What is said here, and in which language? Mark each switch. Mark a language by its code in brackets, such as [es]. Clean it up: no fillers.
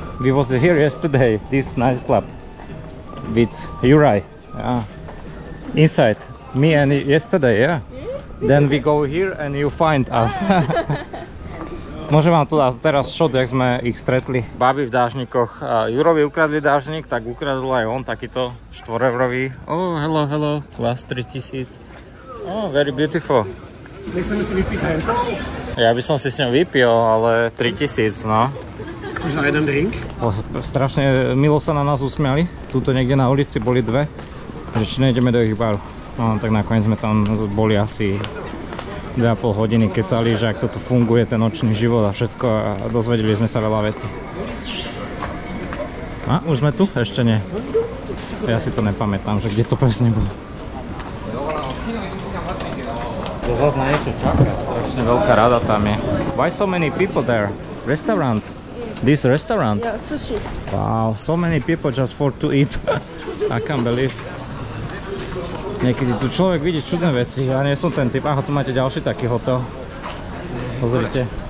[en] We was here yesterday, this nightclub. With Juraj. Yeah. Inside. Me and yesterday, yeah. Then we go here and you find us. [sk] Môžem vám tu dať teraz shot, jak sme ich stretli. Babi v dážnikoch. Jurovi ukradli dážnik, tak ukradol aj on takýto 4 €. [en] Oh, hello. Class 3000. Oh, very beautiful. [sk] Nechceme si vypísať to? Ja by som si s ňou vypil, ale 3000, no. Už na jeden drink? Strašne milo sa na nás usmiali. Tuto niekde na ulici boli dve. Že či nejdeme do ich baru. No, tak nakoniec sme tam boli asi 2,5 hodiny kecali, že ak toto funguje, ten nočný život a všetko, a dozvedeli sme sa veľa vecí. A už sme tu? Ešte nie. Ja si to nepamätám, že kde to presne bolo. To zase na niečo čaká, strašne veľká rada tam je. [en] Why so many people there? Restaurant? This restaurant? Yeah, sushi. Wow, so many people just for to eat. I can't believe. [sk] Niekedy tu človek vidí čudné veci, ja nie som ten typ. Aha, tu máte ďalší taký hotel. Pozrite.